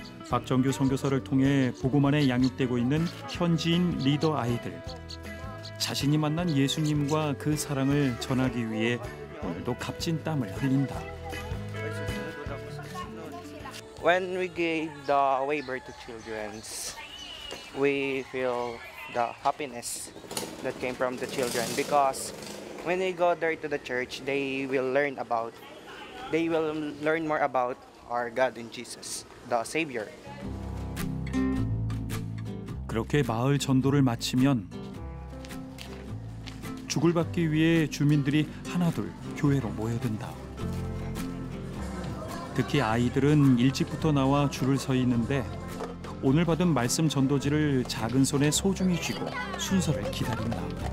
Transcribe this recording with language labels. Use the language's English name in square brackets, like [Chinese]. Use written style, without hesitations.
[Korean] 박정규 선교사를 통해 복음 안에 양육되고 있는 현지인 리더 아이들. 자신이 만난 예수님과 그 사랑을 전하기 위해 오늘도 값진 땀을 흘린다. [English] When we give the way birth to children, we feel the happiness that came from the children because when we go there to the church, they will learn more about our God and Jesus, the Savior. [Korean] 그렇게 마을 전도를 마치면 죽을 받기 위해 주민들이 하나둘 교회로 모여든다. 특히 아이들은 일찍부터 나와 줄을 서 있는데 오늘 받은 말씀 전도지를 작은 손에 소중히 쥐고 순서를 기다린다.